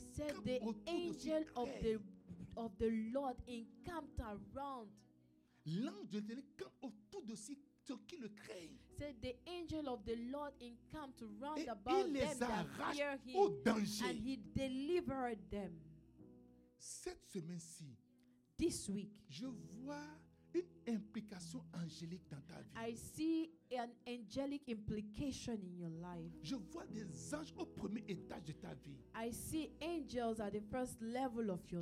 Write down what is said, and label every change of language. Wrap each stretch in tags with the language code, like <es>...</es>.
<en>said the angel of the Lord encamped around.</en> <fr>L'ange de l'Éternel campe autour de ceux qui le craignent.</fr> <en>said the angel of the Lord encamped round about them that fear him, and he delivered them.</en> <fr>Cette semaine-ci,</fr> <en>this week,</en> <fr>je vois une implication angélique dans ta vie.</fr> <en>I see an angelic implication in your life.</en> <fr>Je vois des anges au premier étage de ta vie.</fr> <en>I see angels at the first level of your</en>